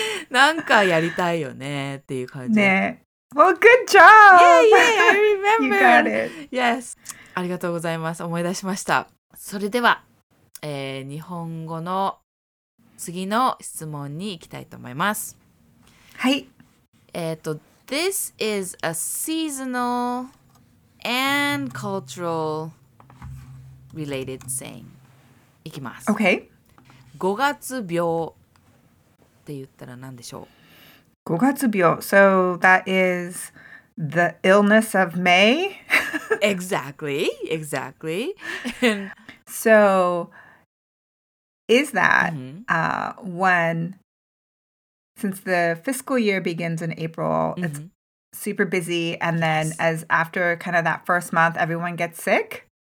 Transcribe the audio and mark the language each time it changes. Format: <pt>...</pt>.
<ja>なんかやりたいよねっていう感じ。ね。</ja> <en>Well, good job! Yeah, yeah, I remember! You got it! Yes!</en> <ja>ありがとうございます。思い出しました。それでは、日本語の次の質問に行きたいと思います。はい。</ja> <en>This is a seasonal and cultural related saying.</en> <ja>いきます。</ja> <en>OK。</en> <ja>5月病。って言ったら何でしょう</ja> <en>5月病 So that is the illness of May? exactly. So is that when, since the fiscal year begins in April, it's super busy, and then as after kind of that first month, everyone gets sick?</en>